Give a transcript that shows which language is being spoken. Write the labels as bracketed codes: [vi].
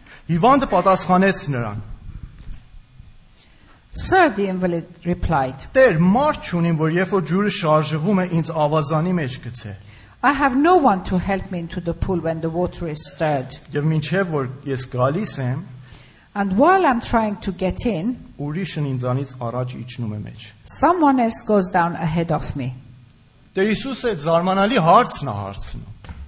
[hy] Հիվանդը պատասխանեց նրան. [en] Sir, the invalid replied. [hy] Տեր, մարդ չունիմ, որ երբ որ ջուրը շարժվում է, ինձ ավազանի մեջ գցե. [en] I have no one to help me into the pool when the water is stirred. [hy] Եվ մինչև որ ես գալիս եմ, [en] And while I'm trying to get in, [hy] ուրիշն ինձանից առաջ իջնում է մեջ. [en] Someone else goes down ahead of me. [hy] Տեր Հիսուսը զարմանալի հարցն է հարցնում.